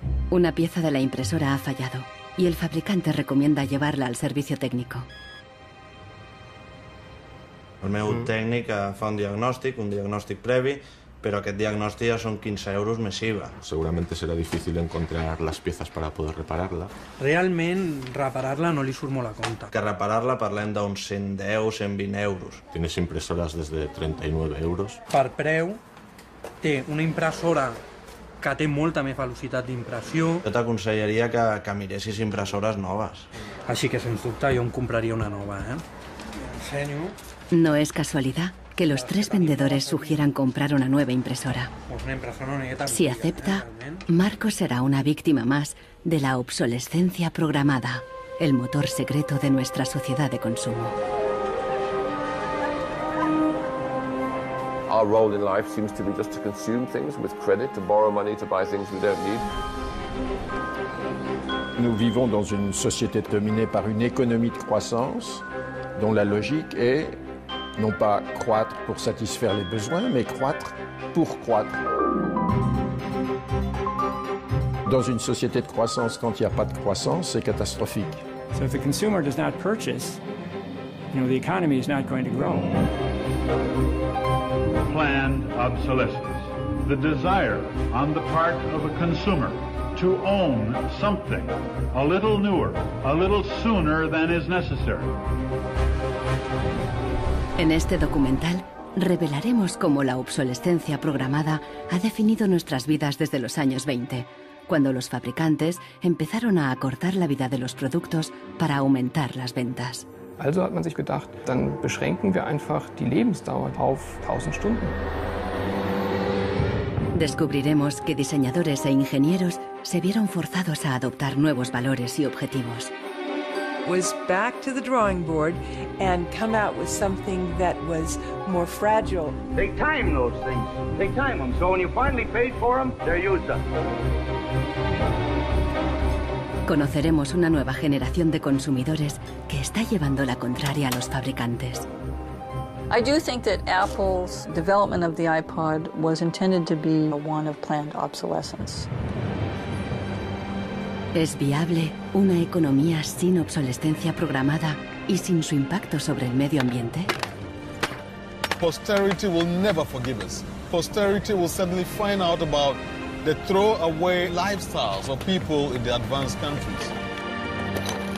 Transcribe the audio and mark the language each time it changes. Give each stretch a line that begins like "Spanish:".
Spanish: Una pieza de la impresora ha fallado y el fabricante recomienda llevarla al servicio técnico.
Catalan: El meu tècnic fa un diagnòstic previ, però aquest diagnòstic ja són 15 euros més IVA.
Spanish: Seguramente serà difícil encontrar les piezas para poder repararla.
Catalan: Realment, repararla no li surt molt a compte. Que repararla parlem d'uns 110-120 euros. Tienes impresoras des de 39 euros. Per preu, té una impressora que té molta més velocitat d'impressió. Jo t'aconsellaria que miressis impressores noves. Així que, sens dubte, jo em compraria una nova, eh? Ensenyo.
Spanish: No es casualidad que los tres vendedores sugieran comprar una nueva impresora. Si acepta, Marco será una víctima más de la obsolescencia programada, el motor secreto de nuestra sociedad de consumo.
English: Our role in life seems to be just to consume things with credit, to borrow money to buy things we don't need.
French: Nous vivons dans une société dominée par une économie de croissance dont la logique est non pas croître pour satisfaire les besoins, mais croître pour croître. Dans une société de croissance, quand il n'y a pas de croissance, c'est catastrophique.
English: So if the consumer does not purchase, you know, the economy is not going to grow. Planned obsolescence. The desire on the part of a consumer to own something a little newer, a little sooner than is necessary.
Spanish: En este documental, revelaremos cómo la obsolescencia programada ha definido nuestras vidas desde los años 20, cuando los fabricantes empezaron a acortar la vida de los productos para aumentar las ventas.
German: Also hat man sich gedacht, dann beschränken wir einfach die Lebensdauer auf 1000 Stunden.
Spanish: Descubriremos que diseñadores e ingenieros se vieron forzados a adoptar nuevos valores y objetivos.
English: Was back to the drawing board and come out with something that was more fragile. Take time, those things. Take time them. So when you finally paid for them, they're used up.
Spanish: Conoceremos una nueva generación de consumidores que está llevando la contraria a los fabricantes.
English: I do think that Apple's development of the iPod was intended to be one of planned obsolescence.
Spanish: ¿Es viable una economía sin obsolescencia programada y sin su impacto sobre el medio ambiente?
English: Posterity will never forgive us. Posterity will suddenly find out about the throwaway lifestyles of people in the advanced countries.